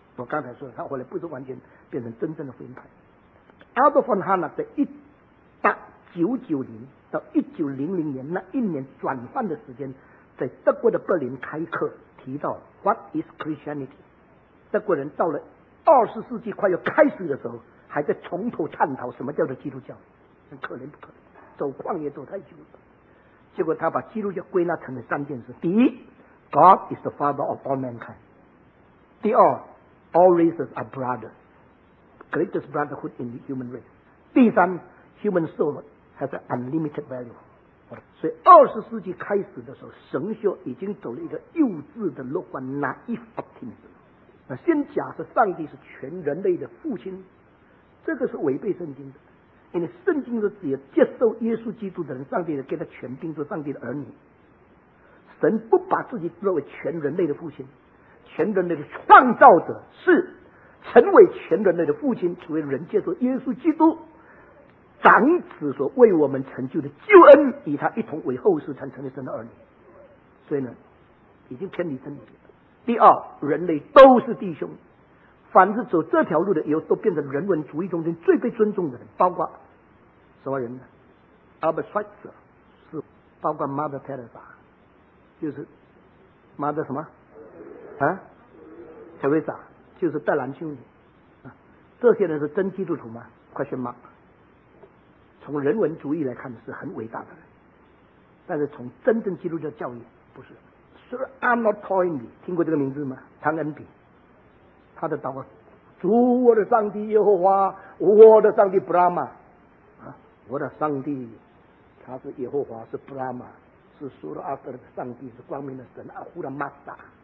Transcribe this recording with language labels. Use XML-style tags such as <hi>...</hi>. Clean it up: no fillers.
<zh>我刚才说的，他后来不是完全变成真正的福音派。Adolf von Harnack 在1890到1900年那一年转换的时间，在德国的柏林开课，提到</zh> <en>What is Christianity？</en> <zh>德国人到了20世纪快要开始的时候，还在从头探讨什么叫做基督教，很可怜不可怜，走旷野走太久了。结果他把基督教归纳成了三件事：第一</zh> <en>，God is the father of all mankind；</en> <zh>第二</zh> <en>，all races are brothers， greatest brotherhood in the human race；</en> <zh>第三</zh> <en>，human soul has an unlimited value。</en> <zh>所以20世纪开始的时候，神学已经走了一个幼稚的乐观 naive optimism。先假设上帝是全人类的父亲，这个是违背圣经的，因为圣经是只有接受耶稣基督的人，上帝给他权柄做上帝的儿女。神不把自己作为全人类的父亲，全人类的创造者是成为全人类的父亲，成为人接受耶稣基督长子所为我们成就的救恩，与他一同为后世才成为神的儿女。所以呢，已经偏离圣经。第二，人类都是弟兄，凡是走这条路的，以后都变成人文主义中间最被尊重的人，包括什么人呢？ Albert Schweitzer， 是包括 Mother Teresa， 就是 Mother 什么啊？ Teresa 就是戴兰修女、这些人是真基督徒吗？</zh> <en>Question mark。</en> <zh>从人文主义来看是很伟大的人，但是从真正基督教教义不是。 Sir Arnold Toynbee， 听过这个名字吗？汤恩比，他的祷告：主，我的上帝耶和华，我的上帝 Brahma、我的上帝他是耶和华，是 Brahma， 是 Sir Arthur 的上帝，是光明的神，阿呼的 Master。</zh>